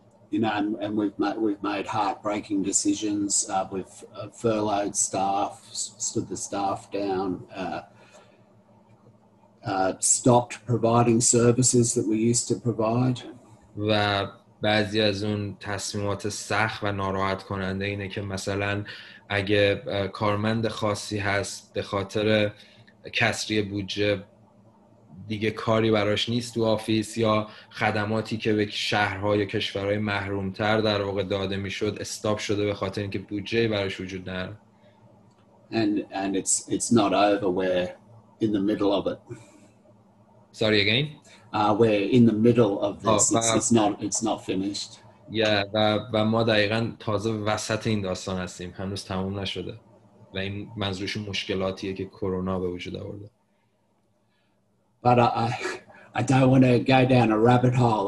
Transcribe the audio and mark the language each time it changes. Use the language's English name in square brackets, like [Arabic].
[English] You know, and we've made heartbreaking decisions. We've furloughed staff, stood the staff down, stopped providing services that we used to provide. [Persian] و بعضی از اون تصمیمات سخت و ناراحت کننده اینه که مثلا اگه کارمند خاصی هست به خاطر کسری بودجه دیگه کاری براش نیست تو آفیس یا خدماتی که به شهرها یا کشورهای محرومتر در واقع داده میشد استاپ شده به خاطر اینکه بودجه براش وجود نداره. [English] And it's not over, we're in the middle of it. Sorry again. We're in the middle of this. It's not finished. [Persian] Yeah, و ما دقیقاً تازه وسط این داستان هستیم. هنوز تموم نشده. و این منظورش مشکلاتیه که کرونا به وجود آورده. [English] But I don't want to go down a rabbit hole.